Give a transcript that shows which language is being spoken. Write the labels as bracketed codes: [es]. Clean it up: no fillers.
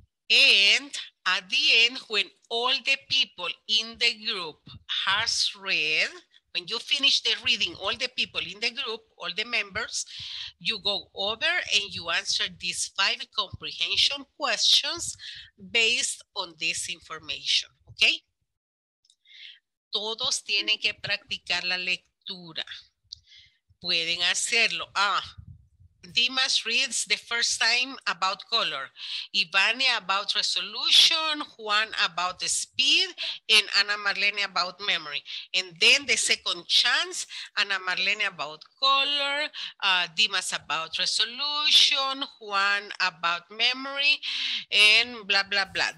[en] And at the end, when all the people in the group has read, when you finish the reading, all the people in the group, all the members, you go over and you answer these 5 comprehension questions based on this information, okay? [es] Todos tienen que practicar la lectura. Pueden hacerlo. Ah, [en] Dimas reads the first time about color, Ivania about resolution, Juan about the speed, and Ana Marlene about memory. And then the second chance, Ana Marlene about color, Dimas about resolution, Juan about memory, and blah, blah, blah.